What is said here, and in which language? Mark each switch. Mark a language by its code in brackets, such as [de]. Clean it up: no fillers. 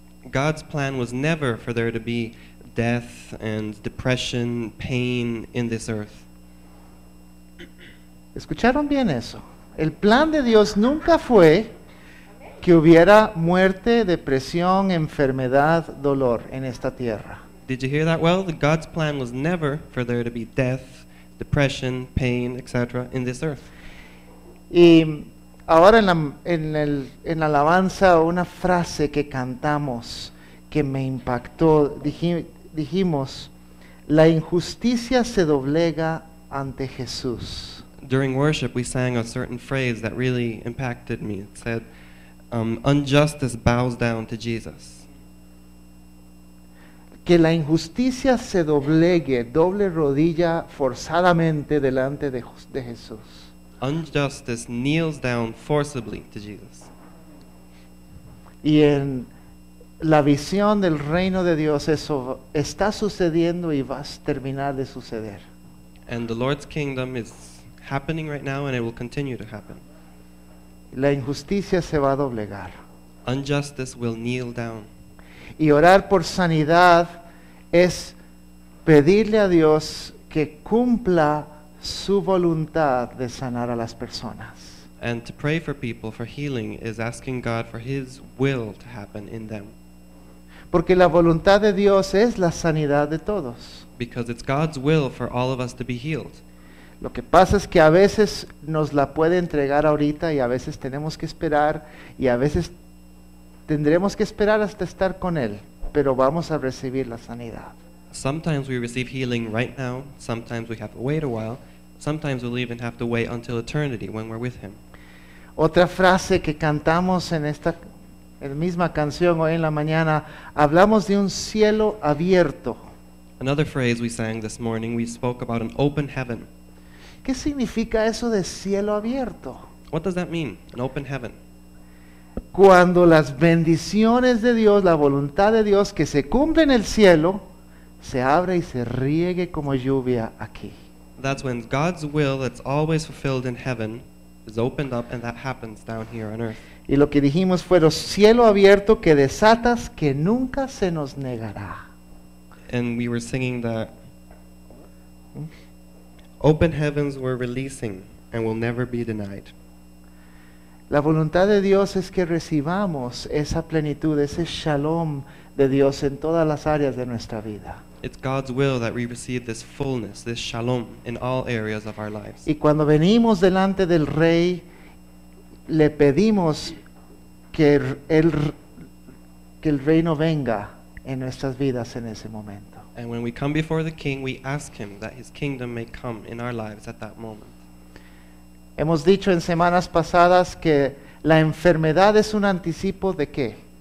[en] God's plan was never for there to be death and depression, pain in this earth. [es] ¿Escucharon bien eso? El plan de Dios nunca fue que hubiera muerte, depresión, enfermedad, dolor en esta tierra. [en] Did you hear that well? God's plan was never for there to be death, depression, pain, etc. in this earth. [es] Y ahora en la alabanza, una frase que cantamos que me impactó, dijimos, la injusticia se doblega ante Jesús. [en] During worship, we sang a certain phrase that really impacted me. It said, injustice bows down to Jesus. [es] Que la injusticia se doblegue, doble rodilla forzadamente delante de Jesús. [en] Injustice kneels down forcibly to Jesus. [es] Y en la visión del reino de Dios, eso está sucediendo y va a terminar de suceder. [en] And the Lord's kingdom is happening right now and it will continue to happen. [es] La injusticia se va a doblegar. [en] Injustice will kneel down. [es] Y orar por sanidad es pedirle a Dios que cumpla su voluntad de sanar a las personas. [en] And to pray for people for healing is asking God for His will to happen in them. [es] Porque la voluntad de Dios es la sanidad de todos. [en] Because it's God's will for all of us to be healed. [es] Lo que pasa es que a veces nos la puede entregar ahorita y a veces tenemos que esperar y a veces tendremos que esperar hasta estar con Él, pero vamos a recibir la sanidad. [en] Sometimes we receive healing right now, sometimes we have to wait a while, sometimes we'll even have to wait until eternity when we're with Him. [es] Otra frase que cantamos en esta en misma canción hoy en la mañana, hablamos de un cielo abierto. [en] Another phrase we sang this morning, we spoke about an open heaven. [es] ¿Qué significa eso de cielo abierto? [en] What does that mean? An open heaven. [es] Cuando las bendiciones de Dios, la voluntad de Dios que se cumple en el cielo, se abre y se riegue como lluvia aquí. [en] That's when God's will that's always fulfilled in heaven is opened up and that happens down here on earth. [es] Y lo que dijimos fue cielo abierto que desatas que nunca se nos negará. [en] And we were singing that open heavens were releasing and will never be denied. [es] La voluntad de Dios es que recibamos esa plenitud, ese shalom de Dios en todas las áreas de nuestra vida. [en] It's God's will that we receive this fullness, this shalom in all areas of our lives. [es] Y cuando venimos delante del Rey, le pedimos que el reino venga en nuestras vidas en ese momento. [en] And when we come before the King, we ask Him that His kingdom may come in our lives at that moment. [es] Hemos dicho en semanas pasadas que la enfermedad es un anticipo de qué?